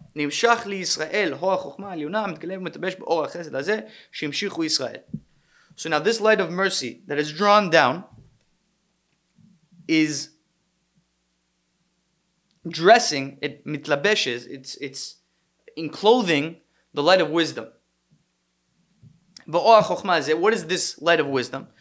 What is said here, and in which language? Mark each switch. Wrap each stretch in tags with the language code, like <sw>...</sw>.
<he>נמשך לישראל, הור החוכמה העליונה, מתגלה ומתבש באור החסד הזה, שימשיכו ישראל.</he> <en>So now this light of mercy that is drawn down is dressing, it mitlabeshes, it's enclosing the light of wisdom.</en> <he>באור החוכמה הזה,</he> <en>what is this light of wisdom?</en>